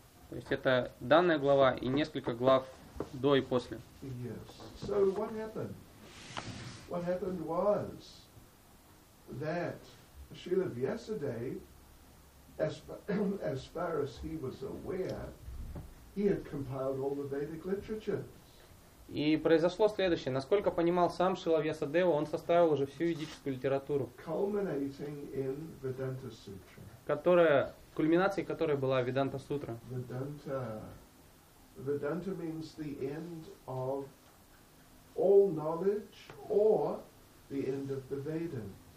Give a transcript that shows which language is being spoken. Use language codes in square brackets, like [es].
[ru] То есть это данная глава и несколько глав до и после. [en] Yes. So what happened? What happened was that Srila Vyasadeva, as far as he was aware, he had compiled all the Vedic literature. [ru] И произошло следующее. Насколько понимал сам Шрила Вьясадева, он составил уже всю ведическую литературу, [en] culminating in Vedanta Sutra. [ru] Кульминацией которой была Веданта Сутра. [en] Vedanta means the end of all knowledge or the end of the Vedas.